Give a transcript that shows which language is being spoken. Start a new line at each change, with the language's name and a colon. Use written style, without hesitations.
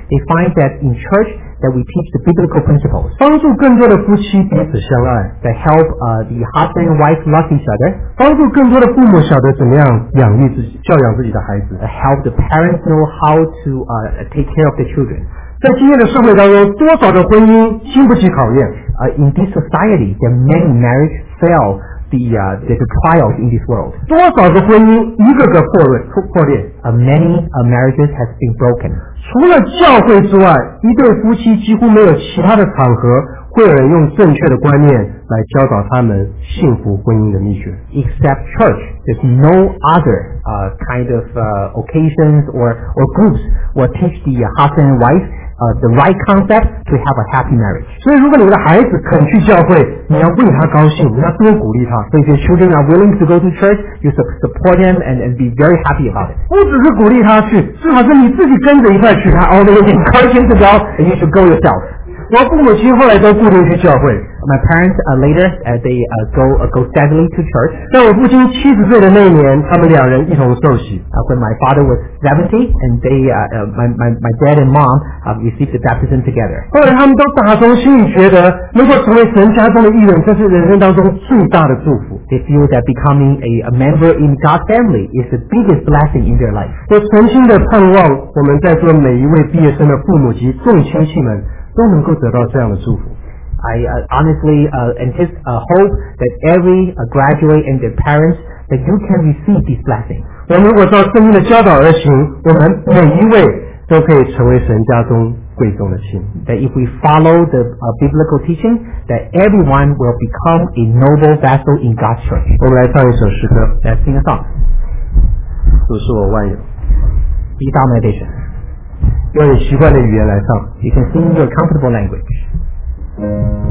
English: They find that in church that we teach the biblical principles.
Chinese: 帮助更多的夫妻彼此相爱。
English: That help the husband and wife love each other.
Chinese: 帮助更多的父母晓得怎么样养育自己、教养自己的孩子。
English: Help the parents know how to take care of their children.
Chinese: 在今天的社会当中，多少的婚姻经不起考验。
English: In this society, the many marriage fail. The trials in this world.
Chinese: 多少个婚姻一个个破裂
English: Many marriages has been broken.
Chinese: 除了教会之外，一对夫妻几乎没有其他的场合会有人用正确的观念来教导他们幸福婚姻的秘诀。
English: Except church, there's no other kind of occasions or groups will teach the husband and wife the right concept to have a happy marriage.
Chinese: 所以如果你的孩子肯去教会，你要为他高兴，你要多鼓励他。
English: So if your children are willing to go to church, you support them and be very happy about it.
Chinese: 不只是鼓励他去，至少是你自己跟着一块去。他
English: always encourages to go, and you should go yourself.
Chinese: 我父母亲后来都固定去教会。
English: My parents later they go steadily to church.
Chinese: 在我父亲七十岁的那一年，他们两人一同受洗。
English: When my father was 70 and they my dad and mom received the baptism together.
Chinese: 后来他们都打从心里觉得能够成为神家中的一员，这是人生当中最大的祝福。
English: They feel that becoming a member in God's family is the biggest blessing in their life.
Chinese: 我诚心的盼望我们在座每一位毕业生的父母及众亲戚们。都能够得到这样的祝福。
English: I honestly hope that every graduate and their parents that you can receive this blessing.
Chinese: 我们如果照圣经的教导而行，我们每一位都可以成为神家中贵重的器皿。
English: That if we follow the biblical teaching, that everyone will become a noble vessel in God's church.
Chinese: 我们来唱一首诗歌。
English: Let's sing a song.
Chinese: 主是我万有。
English: Be thou my vision.
Chinese: 用你习惯的语言来唱
English: You can sing your comfortable language